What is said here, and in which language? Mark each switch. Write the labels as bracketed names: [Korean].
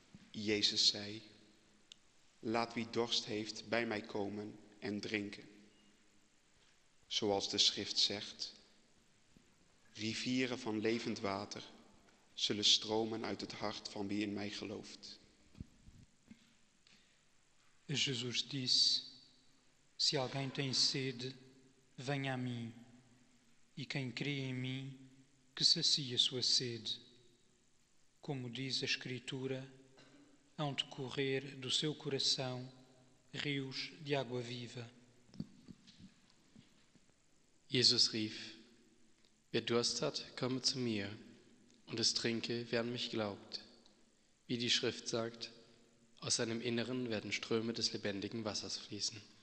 [Dutch] Jezus zei, laat wie dorst heeft bij mij komen en drinken. Zoals de schrift zegt, rivieren van levend water zullen stromen uit het hart van wie in mij gelooft. [Portuguese] Jezus disse, si alguém tem sede, venha a mim, e quem crê em mim, que sacie a sua sede. Como diz a escritura, hão de correr do seu coração rios de água viva. [German] Jesus rief, wer Durst hat, komme zu mir, und es trinke, wer an mich glaubt. Wie die Schrift sagt, aus seinem Inneren werden Ströme des lebendigen Wassers fließen.